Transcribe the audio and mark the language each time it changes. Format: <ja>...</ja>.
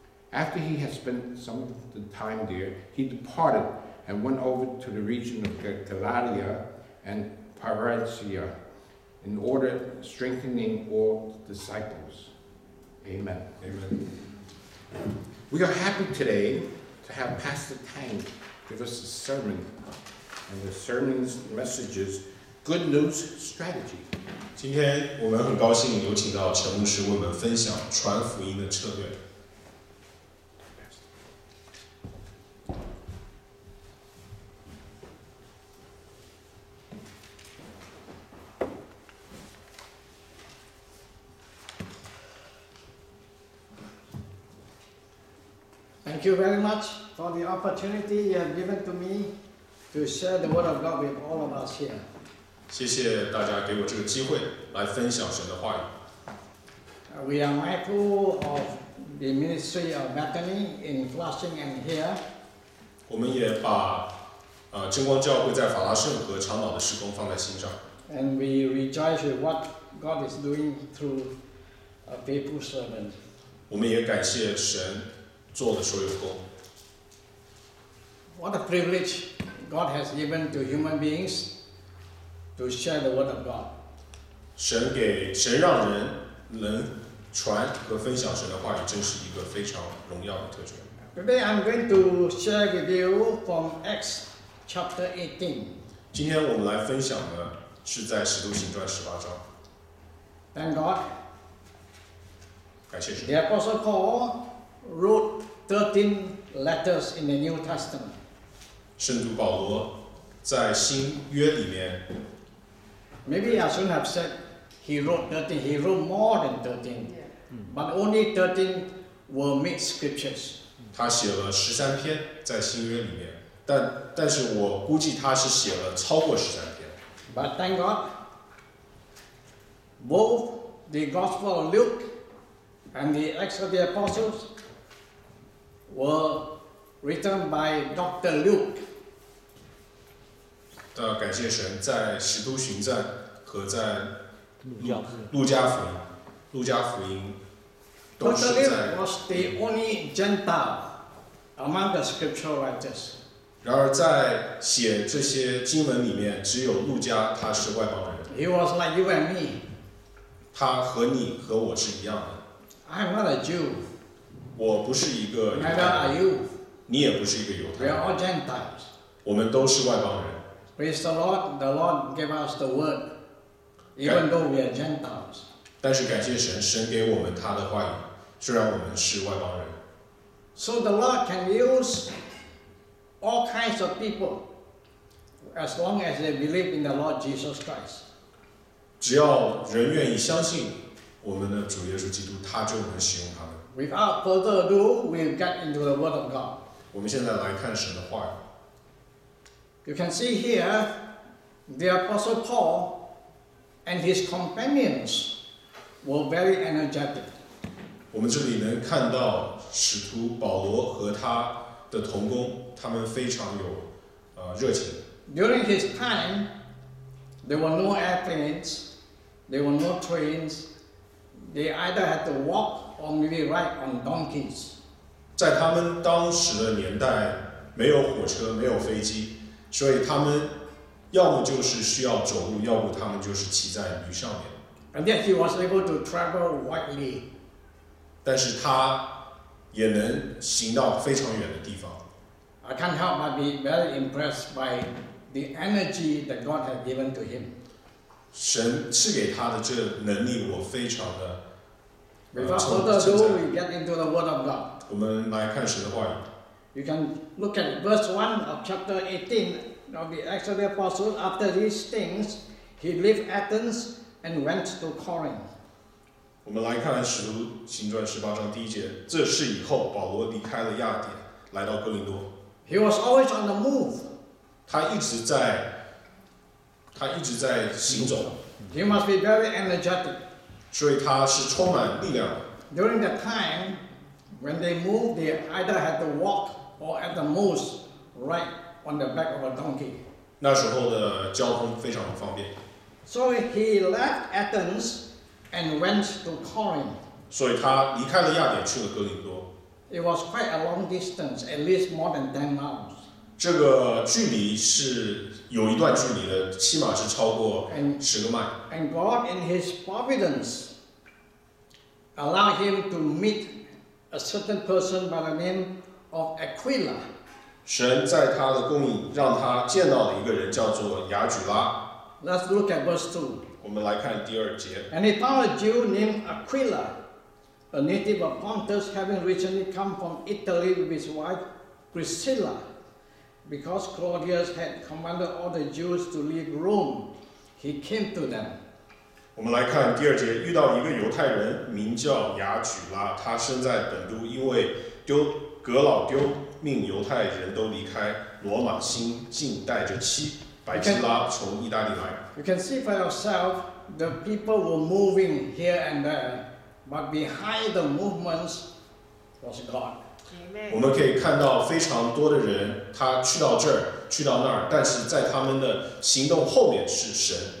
<en>After he had spent some of the time there, he departed and went over to the region of Galatia and Parasia, in order strengthening all the disciples. Amen. Amen. We are happy today to have Pastor Tang give us a sermon, and the sermon's message is Good News Strategy.</en> <zh>今天我们很高兴有请到陈牧师为我们分享传福音的策略。</zh> <en>Thank you very much for the opportunity you have given to me to share the word of God with all of us here.</en> <zh>谢谢大家给我这个机会来分享神的话语。</zh> <en>We are mindful of the ministry of Bethany in Flushing and here.</en> <zh>我们也把真光教会在法拉盛和长老的事工放在心上。</zh> <en>And we rejoice with what God is doing through a faithful servant.</en> <zh>我们也感谢神做的所有工。</zh> <en>What a privilege God has given to human beings to share the word of God.</en> <zh>神让人能传和分享神的话语，真是一个非常荣耀的特权。</zh> <en>Today I'm going to share with you from Acts chapter 18.</en> <zh>今天我们来分享的是在《使徒行传》十八章。</zh> <en>Thank God.</en> <zh>感谢神。</zh> <en>The Apostle Paul wrote 13 letters in the New Testament.</en> <zh>圣徒保罗在新约里面。</zh> <en>Maybe I shouldn't have said he wrote 13. He wrote more than 13. But only 13 were made scriptures.</en> <zh>他写了十三篇在新约里面，但是我估计他是写了超过十三篇。</zh> <en>But thank God, both the Gospel of Luke and the Acts of the Apostles were written by Dr. Luke.</en> <zh>但感谢神，在《使徒行传》和在路加福音。</zh> <en>Totally was the only Gentile among the scriptural writers.</en> <zh>然而在写这些经文里面，只有路加他是外邦人。</zh> <en>He was like you and me.</en> <zh>他和你和我是一样的。</zh> <en>I'm not a Jew.</en> <zh>我不是一个犹太人。</zh> <en>Neither are you.</en> <zh>你也不是一个犹太人。</zh> <en>We are all Gentiles.</en> <zh>我们都是外邦人。</zh> <en>Praise the Lord. The Lord gave us the word, even though we are Gentiles.</en> <zh>但是感谢神，神给我们他的话语，虽然我们是外邦人。</zh> <en>So the Lord can use all kinds of people as long as they believe in the Lord Jesus Christ.</en> <zh>只要人愿意相信我们的主耶稣基督，他就能使用他们。</zh> <en>Without further ado, we'll get into the Word of God.</en> <zh>我们现在来看神的话语。</zh> <en>You can see here the Apostle Paul and his companions. Were very energetic.</en> <zh>我们这里能看到使徒保罗和他的同工，他们非常有热情。</zh> <en>During his time, there were no airplanes, there were no trains. They either had to walk or maybe ride on donkeys.</en> <zh>在他们当时的年代，没有火车，没有飞机，所以他们要么就是需要走路，要不他们就是骑在驴上面。</zh> <en>And yet he was able to travel widely.</en> <zh>但是他也能行到非常远的地方。</zh> <en>I can't help but be very impressed by the energy that God had given to him.</en> <zh>神赐给他的这能力，我非常的。</zh> <en>Before the two, we get into the Word of God.</en> <zh>我们来看神的话语。</zh> <en>You can look at verse 1 of chapter 18 of the Acts of the Apostles. After these things, he left Athens. And went to Corinth.</en> <zh>我们来看《使徒行传》十八章第一节。这事以后，保罗离开了雅典，来到哥林多。</zh> <en>He was always on the move.</en> <zh>他一直在行走。</zh> <en>He must be very energetic.</en> <zh>所以他是充满力量的。</zh> <en>During the time when they moved, they either had to walk or at the most ride on the back of a donkey.</en> <zh>那时候的交通非常不方便。</zh> <en>So he left Athens and went to Corinth.</en> <zh>所以他离开了雅典，去了哥林多。</zh> <en>It was quite a long distance, at least more than 10 miles.</en> <zh>这个距离是有一段距离的，起码是超过十个迈。</zh> <en>And God, in His providence, allowed him to meet a certain person by the name of Aquila.</en> <zh>神在他的供应，让他见到了一个人，叫做亚举拉。</zh> <en>Let's look at verse 2.</en> <zh>我们来看第二节。</zh> <en>And he found a Jew named Aquila, a native of Pontus, having recently come from Italy with his wife Priscilla, because Claudius had commanded all the Jews to leave Rome. He came to them.</en> <zh>我们来看第二节，遇到一个犹太人名叫雅举拉，他身在本都，因为格老丢命犹太人都离开罗马，心境带着妻。</zh> <en>You can see for yourself the people were moving here and there, but behind the movements was God.</en> <zh>我们可以看到非常多的人，他去到这儿，去到那儿，但是在他们的行动后面是神。</zh>